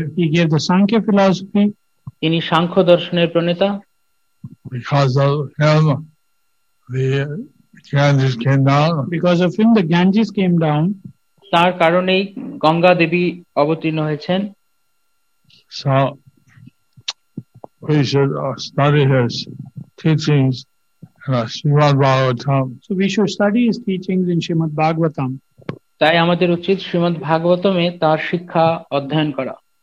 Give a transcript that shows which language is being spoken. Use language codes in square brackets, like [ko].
[en] gave the Sankhya philosophy. [bn] তিনি সাংখ্য দর্শনের প্রণেতা। [en] Because of him, the Ganges came down. Because of him, the Ganges came down. [bn] তার কারণেই গঙ্গা দেবী অবতীর্ণ হয়েছেন। [en] So we should study his teachings in Srimad Bhagavatam. So we should study his teachings in Srimad Bhagavatam. [bn] তাই আমাদের উচিত শ্রীমদ ভাগবতমে তার শিক্ষা অধ্যয়ন করা।